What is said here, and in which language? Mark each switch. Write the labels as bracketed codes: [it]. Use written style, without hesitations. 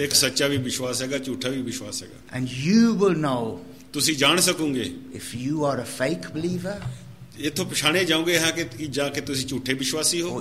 [pa] ਇੱਕ ਸੱਚਾ ਵੀ ਵਿਸ਼ਵਾਸ ਹੈਗਾ, ਝੂਠਾ ਵੀ ਵਿਸ਼ਵਾਸ ਹੈਗਾ. [en] And you will know. [pa] ਤੁਸੀਂ ਜਾਣ ਸਕੋਗੇ. [en] If you are a fake believer. [pa] ਇਥੋਂ ਪਛਾਣੇ ਜਾਓਗੇ ਹਾਂ ਕਿ ਜਾਂ ਕਿ ਤੁਸੀਂ ਝੂਠੇ ਵਿਸ਼ਵਾਸੀ ਹੋ.